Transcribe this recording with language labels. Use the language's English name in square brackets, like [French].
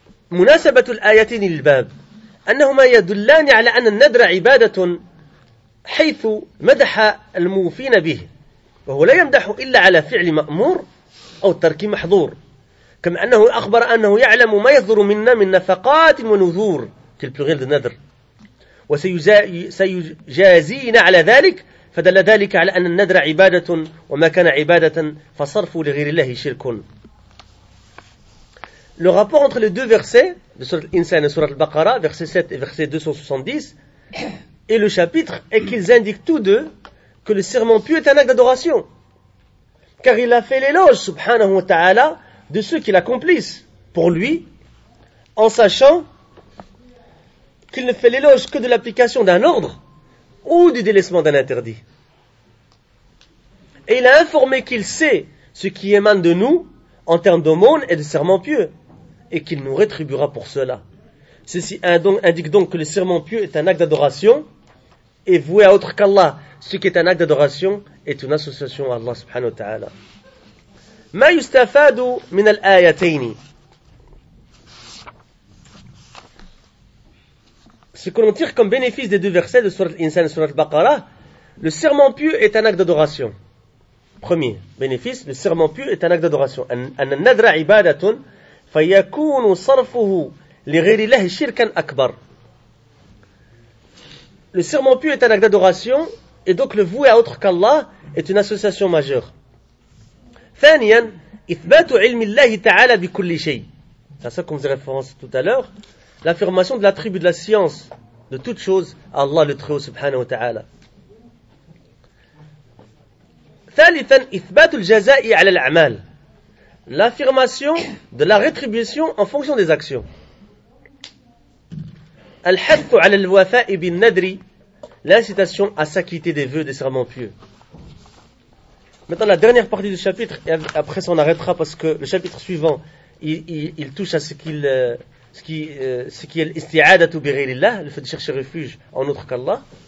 [Arabic] مناسبة الآيتين للباب أنهما يدلان على أن النذر عبادة حيث مدح الموفين به وهو لا يمدح إلا على فعل مأمور أو ترك محظور كما أنه أخبر أنه يعلم ما يصدر منا من نفقات ونذور النذر وسيجازينا على ذلك فدل ذلك على أن النذر عبادة وما كان عبادة فصرف لغير الله شرك. [French] Le rapport entre les deux versets, de Surat Al-Insan et Surat Al-Baqarah, verset 7 et verset 270, et le chapitre, est qu'ils indiquent tous deux que le serment pieux est un acte d'adoration. Car il a fait l'éloge, subhanahu wa ta'ala, de ceux qui l'accomplissent pour lui, en sachant qu'il ne fait l'éloge que de l'application d'un ordre ou du délaissement d'un interdit. Et il a informé qu'il sait ce qui émane de nous en termes d'aumône et de serment pieux. Et qu'il nous rétribuera pour cela. Ceci indique donc que le serment pieux est un acte d'adoration, et voué à autre qu'Allah, ce qui est un acte d'adoration, est une association à Allah subhanahu wa ta'ala. [Arabic] Ma yustafadu min al-ayatayni. [French] Ce que l'on tire comme bénéfice des deux versets de Surat al-Insan et Surat al-Baqarah, le serment pieux est un acte d'adoration. Premier bénéfice, le serment pieux est un acte d'adoration. [Arabic] An nadra ibadatun. فيكون صرفه لغير الله شركا أكبر. [French] Le serment pieux est un acte d'adoration et donc le vouer à autre qu'Allah est une association majeure. [Arabic] ثانيا إثبات علم الله تعالى بكل شيء. [French] C'est à ça qu'on faisait référence tout à l'heure. L'affirmation de l'attribut de la science de toute chose à Allah le Très-Haut subhanahu wa ta'ala. [Arabic] ثالثا إثبات الجزاء على الأعمال. [French] L'affirmation de la rétribution en fonction des actions. [Arabic] Al-hathu ala al-wafa'i bin nadri, [French] l'incitation à s'acquitter des vœux des serments pieux. Maintenant, la dernière partie du chapitre, et après ça on arrêtera parce que le chapitre suivant, il touche à ce qui est l'isti'adatu bi ghayrillah, le fait de chercher refuge en autre qu'Allah.